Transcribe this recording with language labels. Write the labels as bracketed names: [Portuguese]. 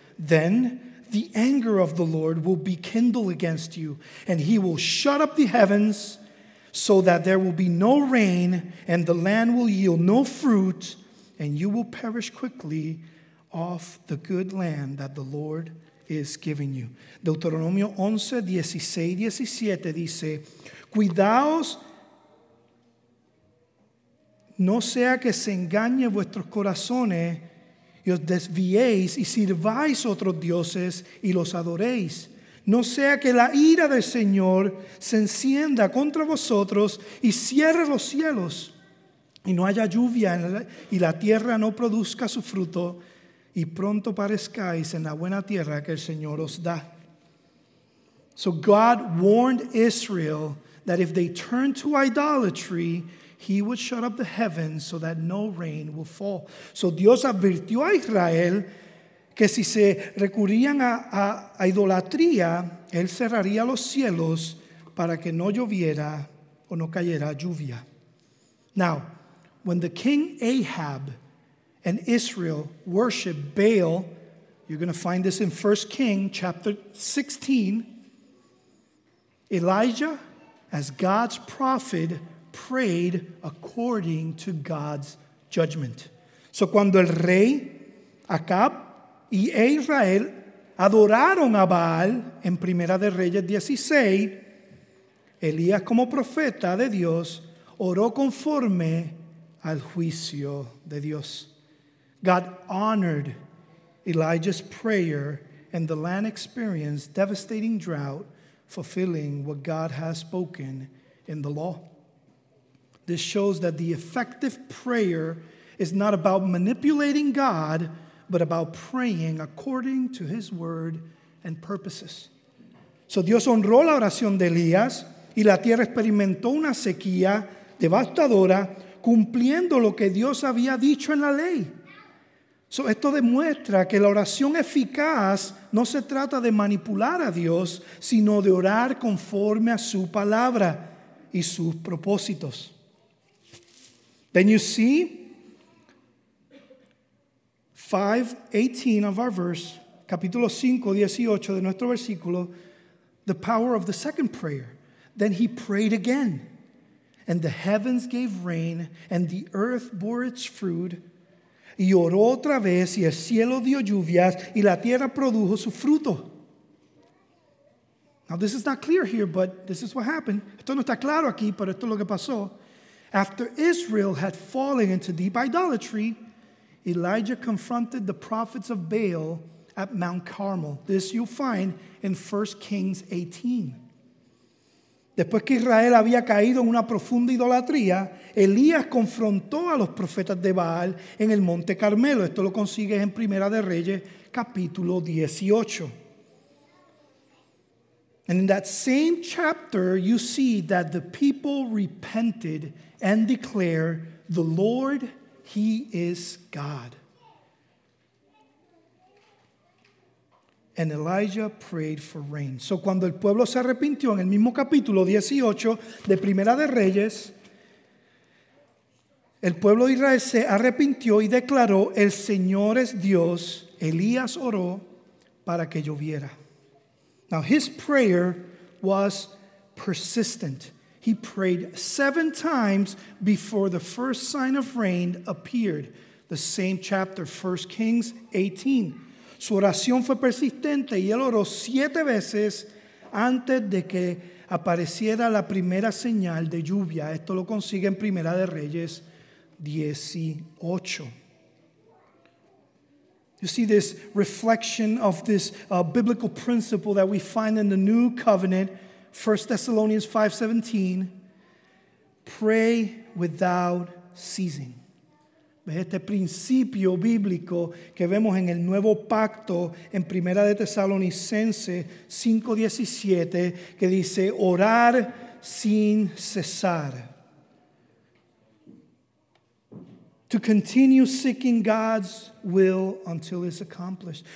[English] Then the anger of the Lord will be kindled against you, and he will shut up the heavens so that there will be no rain, and the land will yield no fruit, and you will perish quickly off the good land that the Lord is giving you." [Spanish] Deuteronomio 11, 16, 17 dice, "Cuidaos, no sea que se engañe vuestros corazones, y os desviéis y sirváis otros dioses y los adoréis. No sea que la ira del Señor se encienda contra vosotros y cierre los cielos y no haya lluvia y la tierra no produzca su fruto y pronto parezcáis en la buena tierra que el Señor os da." [English] So God warned Israel that if they turned to idolatry, he would shut up the heavens so that no rain will fall. [Spanish] So Dios advirtió a Israel que si se recurrían a idolatría, él cerraría los cielos para que no lloviera o no cayera lluvia. [English] Now, when the king Ahab and Israel worshiped Baal, you're going to find this in 1 Kings chapter 16, Elijah, as God's prophet, prayed according to God's judgment. [Spanish] So cuando el rey Acab y Israel adoraron a Baal en Primera de Reyes 16, Elías, como profeta de Dios, oró conforme al juicio de Dios. [English] God honored Elijah's prayer, and the land experienced devastating drought, fulfilling what God has spoken in the law. This shows that the effective prayer is not about manipulating God, but about praying according to his word and purposes. [Spanish] So Dios honró la oración de Elías y la tierra experimentó una sequía devastadora, cumpliendo lo que Dios había dicho en la ley. So esto demuestra que la oración eficaz no se trata de manipular a Dios, sino de orar conforme a su palabra y sus propósitos. [English] Then you see 5:18 of our verse, [Spanish] capítulo 5:18 de nuestro versículo, [English] the power of the second prayer. Then he prayed again, and the heavens gave rain, and the earth bore its fruit. [Spanish] Y oró otra vez, y el cielo dio lluvias, y la tierra produjo su fruto. [English] Now this is not clear here, but this is what happened. [Spanish] Esto no está claro aquí, pero esto es lo que pasó. [English] After Israel had fallen into deep idolatry, Elijah confronted the prophets of Baal at Mount Carmel. This you'll find in 1 Kings 18. [Spanish] Después que Israel había caído en una profunda idolatría, Elías confrontó a los profetas de Baal en el Monte Carmelo. Esto lo consigues en Primera de Reyes, capítulo 18. [English] And in that same chapter, you see that the people repented and declare, "The Lord, He is God." And Elijah prayed for rain. [Spanish] So cuando el pueblo se arrepintió, en el mismo capítulo 18 de Primera de Reyes, el pueblo de Israel se arrepintió y declaró, "El Señor es Dios." Elías oró para que lloviera. [English] Now his prayer was persistent. He prayed 7 times before the first sign of rain appeared. The same chapter, 1 Kings 18. [Spanish] Su oración fue persistente y él oró 7 veces antes de que apareciera la primera señal de lluvia. Esto lo consigue en Primera de Reyes 18. [English] You see this reflection of this biblical principle that we find in the New Covenant, 1 Thessalonians 5:17, pray without ceasing. [Spanish] ¿Ves este principio bíblico que vemos en el Nuevo Pacto en Primera de Tesalonicense 5:17 que dice orar sin cesar? [English] To continue seeking God's will until it's accomplished.